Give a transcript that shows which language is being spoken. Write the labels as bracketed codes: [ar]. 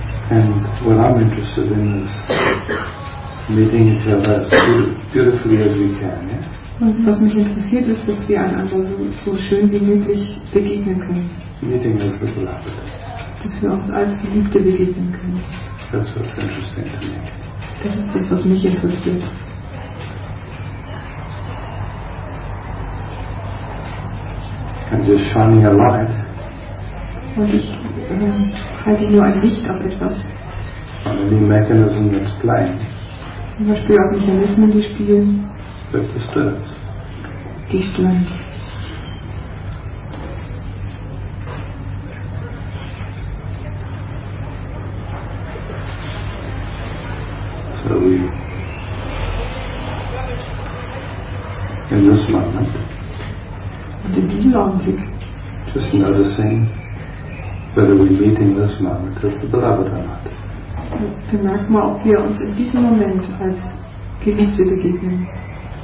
[en] And what I'm interested in is meeting each other as beautifully as we can, yeah? [de] Und was mich interessiert ist, dass wir einander so, so schön wie möglich begegnen können. [en] Meeting with people after that. [de] Dass wir uns als Geliebte begegnen können. [en] That's what's interesting to me. [de] Das ist das, was mich interessiert. [en] And just shining a light. [de] Und ich halte nur ein Licht auf etwas. [en] On any mechanism that's playing. [de] Zum Beispiel auf Mechanismen, die spielen. [en] That disturbs. [de] Die stören. [en] In this moment. [de] Und in diesem Augenblick. [en] Just noticing whether we meet in this moment as the beloved or not. [de] Bemerken wir, ob wir uns in diesem Moment als Geliebte begegnen.